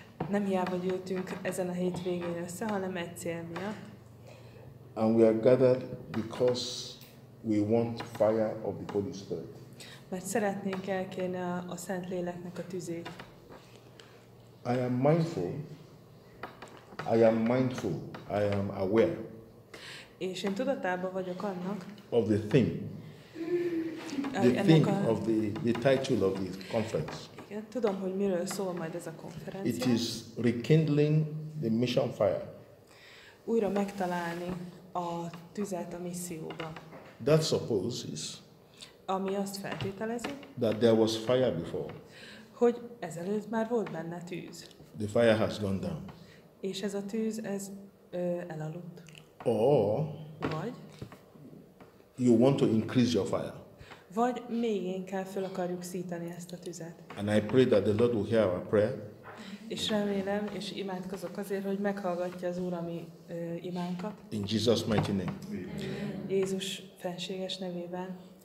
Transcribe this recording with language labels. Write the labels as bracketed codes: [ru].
[hu] Nem hiába gyűjtünk ezen a hétvégén össze, hanem egy cél miatt. [en] And we are gathered because we want fire of the Holy Spirit. [hu] Mert szeretnénk elkérni a Szent Léleknek a tüzét. [en] I am mindful. I am aware. [hu] És én tudatában vagyok annak. [en] Of the theme. The theme of the title of this conference. [hu] Igen, tudom, hogy miről szól majd ez a konferencia. [en] It is rekindling the mission fire. [hu] Újra megtalálni a tüzet a misszióban. [en] That supposes. [hu] Ami azt feltételezi. [en] That there was fire before. [hu] Hogy ezelőtt már volt benne tűz. [en] The fire has gone down. [hu] És ez a tűz, ez elaludt. [en] Or [hu] vagy, [en] you want to increase your fire. [hu] Vagy még inkább fel akarjuk szítani ezt a tüzet. [en] And I pray that the Lord will hear our prayer. [hu] És remélem, és imádkozok azért, hogy meghallgatja az Úr a mi imánkat. [en] In Jesus' mighty name. [hu] Jézus fenséges nevében.